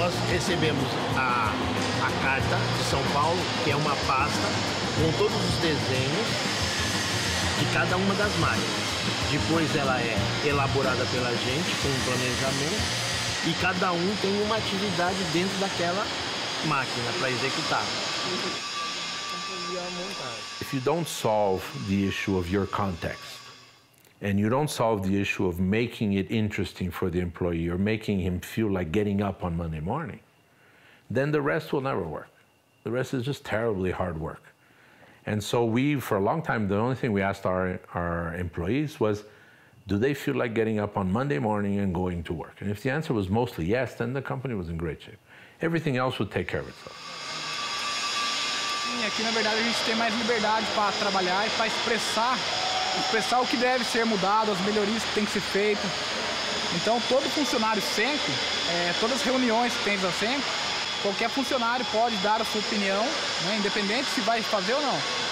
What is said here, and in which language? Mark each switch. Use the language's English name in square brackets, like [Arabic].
[Portuguese] Recebemos a carta de São Paulo, que é uma pasta com todos os desenhos de cada uma das máquinas. Depois ela é elaborada pela gente com um planejamento e cada um tem uma atividade dentro daquela máquina para executar. [English] If you don't solve the issue of your context and you don't solve the issue of making it interesting for the employee or making him feel like getting up on Monday morning, then the rest will never work. The rest is just terribly hard work. And so we, for a long time, the only thing we asked our employees was, do they feel like getting up on Monday morning and going to work? And if the answer was mostly yes, then the company was in great shape. Everything else would take care of itself. [Portuguese] Sim, aqui na verdade a gente tem mais liberdade para trabalhar e para expressar o que deve ser mudado, as melhorias que tem que ser feito. Então todo funcionário sempre, todas as reuniões que tem da sempre, qualquer funcionário pode dar a sua opinião, né, independente se vai fazer ou não.